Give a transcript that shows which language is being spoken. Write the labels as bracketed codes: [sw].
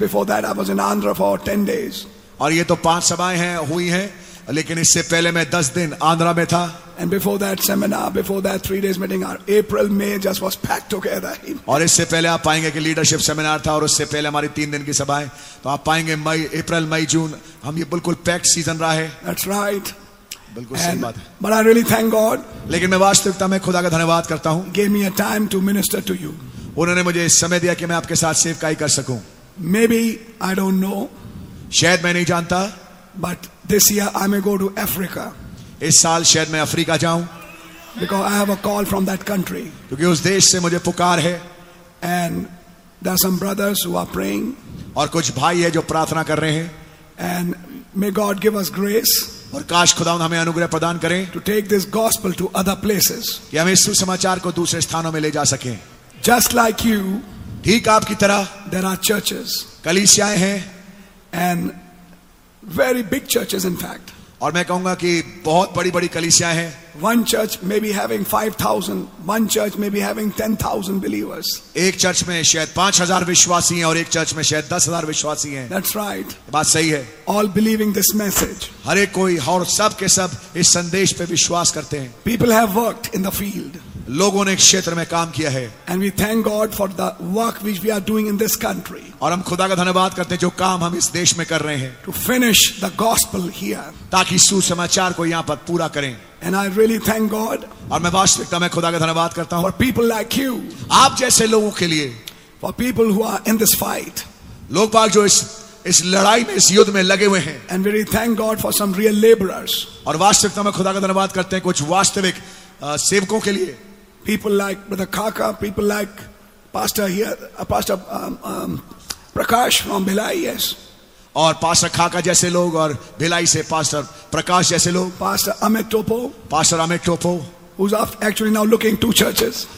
[en] Before that, I was in Andhra for 10 days. [hi] और ये तो 5 सभाएं हैं हुई हैं. लेकिन इससे पहले मैं 10 दिन आंध्रा में था. [en] And before that seminar, before that 3 days meeting, our April, May just was packed together. [hi] और इससे पहले आप पाएंगे कि लीडरशिप सेमिनार था और उससे पहले हमारी 3 दिन की सभाएं. तो आप पाएंगे मई, अप्रैल, मई, जून, हम ये बिल्कुल पैक्ड सीजन रहा है. [en] That's right. [hi] बिल्कुल सही बात है. [en] But I really thank God. [hi] लेकिन मैं वास्तविकता में खुदा का धन्यवाद करता हूँ. [en] Gave me a time to minister to you. [hi] उन्होंने मुझे समय दिया कि मैं आपके साथ सेवकाई कर सकूं. [en] Maybe I don't know. [hi] शायद मैं नहीं जानता. [en] But this year I may go to Africa. [hi] इस साल शायद मैं अफ्रीका जाऊं. [en] Because I have a call from that country. [hi] क्योंकि उस देश से मुझे पुकार है. [en] And there are some brothers who are praying. [hi] और कुछ भाई है जो प्रार्थना कर रहे हैं. [en] And may God give us grace. [hi] और काश खुदावंद हमें अनुग्रह प्रदान करें. [en] To take this gospel to other places. [hi] कि हमें सुसमाचार को दूसरे स्थानों में ले जा सकें. [en] Just like you. [hi] ठीक आपकी तरह. [en] There are churches. [hi] कलीसियाएं हैं. [en] And very big churches, in fact. [hi] और मैं कहूंगा कि बहुत बड़ी बड़ी कलीसियाएं हैं. [en] One church may be having 5,000. One church may be having 10,000 believers. [hi] एक चर्च में शायद 5,000 विश्वासी हैं और एक चर्च में शायद 10,000 विश्वासी हैं. [en] That's right. [hi] बात सही है. [en] All believing this message. [hi] हर एक कोई और सब के सब इस संदेश पे विश्वास करते हैं. [en] People have worked in the field. [hi] लोगों ने क्षेत्र में काम किया है. [en] And we thank God for the work which we are doing in this country. [hi] और हम खुदा का धन्यवाद करते हैं जो काम हम इस देश में कर रहे हैं. [en] To finish the gospel here. [hi] ताकि सुसमाचार को यहाँ पर पूरा करें. [en] And I really thank God. [hi] और मैं वास्तविकता में खुदा का धन्यवाद करता हूँ. [en] For people like you. [hi] आप जैसे लोगों के लिए. [en] For people who are in this fight. [hi] लोग बाग जो इस लड़ाई में, इस युद्ध में लगे हुए हैं. [en] And we really thank God for some real laborers. [hi] और वास्तविकता में खुदा का धन्यवाद करते हैं कुछ वास्तविक सेवकों के लिए. [en] People like Brother Kaka, people like Pastor here, Pastor Prakash from Bhilai, yes. [hi] और पास्टर खाका जैसे लोग और भिलाई से पास्टर प्रकाश जैसे लोग. [en] Pastor Amit Topo who's actually now looking two churches.